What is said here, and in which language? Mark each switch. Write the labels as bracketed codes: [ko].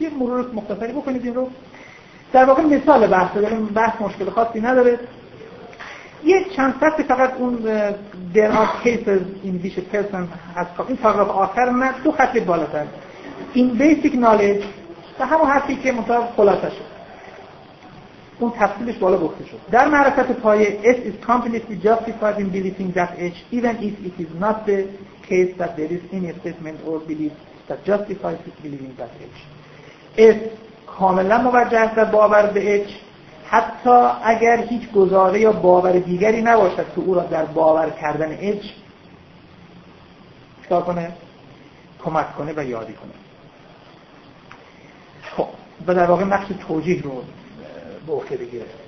[fa] یه مرور مختصری بکنید این رو. در واقع مثال بحث داریم، بحث مشکل خاصی نداره. یه چند سطر فقط اون [en] there are cases in which a person has [fa] این فقط آخر نه، دو خط بالاتر این basic knowledge به همون حرفی که مطابق خلاصه شد اون تفصیلش بالا گفته شد. در معرفت پایه [en] S is completely justified in believing that H even if it is not the case that there is any statement or belief that justifies it believing that H. [fa] S کاملا موجه است به باور به H حتی اگر هیچ گزاره یا باور دیگری نباشد که او را در باور کردن H چکار کنه؟ کمک کنه و یادی کنه. خب، و در واقع نقش توجیه رو به عهده بگیره.